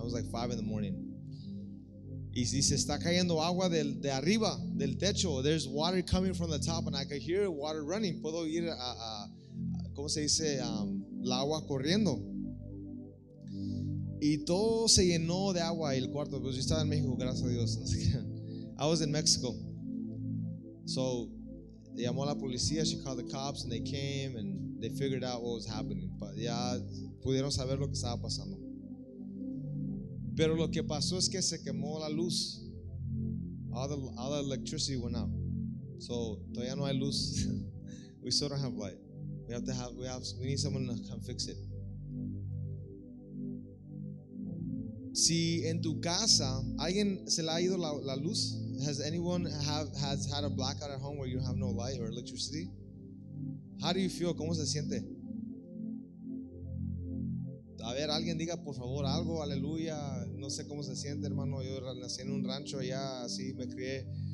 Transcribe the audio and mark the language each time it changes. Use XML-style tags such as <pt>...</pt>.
<en>It was like 5 in the morning.</en> <es>Y dice, está cayendo agua de arriba, del techo.</es> <en>There's water coming from the top, and I could hear water running.</en> <es>Puedo ir a ¿cómo se dice? La agua corriendo. Y todo se llenó de agua y el cuarto. Pues yo estaba en México, gracias a Dios.</es> <en>I was in Mexico. So, they</en> <es>llamó a la policía,</es> <en>she called the cops, and they came, and they figured out what was happening.</en> <es>But ya pudieron saber lo que estaba pasando. Pero lo que pasó es que se quemó la luz.</es> <en>All the electricity went out. So,</en> <es>todavía no hay luz.</es> <en>We still don't have light. We need someone to come fix it.</en> <es>Si en tu casa, alguien se le ha ido la luz.</es> <en>Has anyone has had a blackout at home where you have no light or electricity? How do you feel?</en> <es>¿Cómo se siente? A ver, alguien diga por favor algo, aleluya. No sé cómo se siente, hermano. Yo nací en un rancho allá, así me crié.</es>